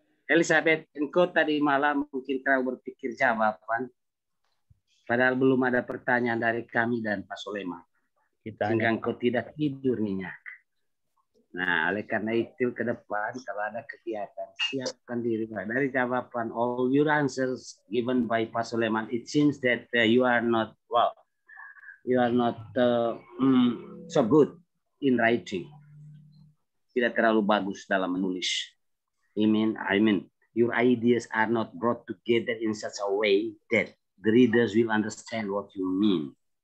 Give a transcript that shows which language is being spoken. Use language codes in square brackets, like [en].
[id] Elizabeth, engkau tadi malam mungkin terlalu berpikir jawaban, padahal belum ada pertanyaan dari kami dan Pak Sulema. Sehingga engkau tidak tidur nyenyak. Nah, oleh karena itu ke depan, kalau ada kegiatan, siapkan diri. Dari jawaban, [en] all your answers given by Pak Sulema, it seems that you are not, well, you are not so good in writing. [id] Tidak terlalu bagus dalam menulis. [en] I mean, your ideas are not brought together in such a way that the readers will understand what you mean.